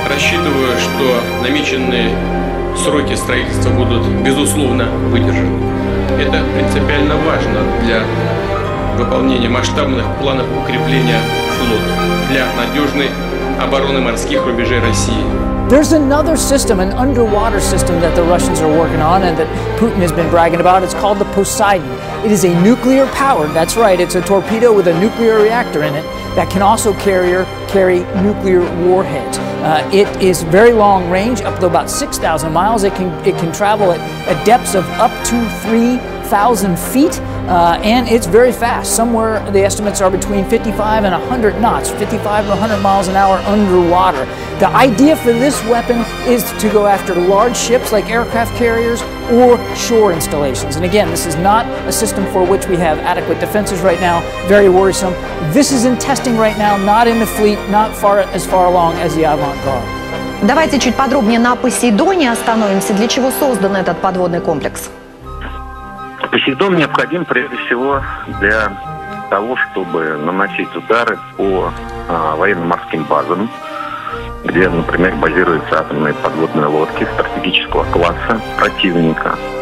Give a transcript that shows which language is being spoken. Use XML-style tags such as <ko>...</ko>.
<ru>Рассчитываю, что намеченные сроки строительства будут, безусловно, выдержаны. Это принципиально важно для выполнения масштабных планов укрепления флота, для надежной обороны морских рубежей России.</ru> <en>There's another system, an underwater system that the Russians are working on and that Putin has been bragging about. It's called the Poseidon. It is a nuclear powered, that's right, it's a torpedo with a nuclear reactor in it that can also carry nuclear warheads. It is very long range, up to about 6,000 miles. It can travel at depths of up to 3,000 feet. And it's very fast. Somewhere the estimates are between 55 and 100 knots, 55 to 100 miles an hour underwater. The idea for this weapon is to go after large ships like aircraft carriers or shore installations. And again, this is not a system for which we have adequate defenses right now. Very worrisome. This is in testing right now, not in the fleet, not far as far along as the Avant-Garde.</en> <ru>Давайте чуть подробнее на Посейдоне остановимся. Для чего создан этот подводный комплекс? Посейдон необходим прежде всего для того, чтобы наносить удары по военно-морским базам, где, например, базируются атомные подводные лодки стратегического класса противника.</ru>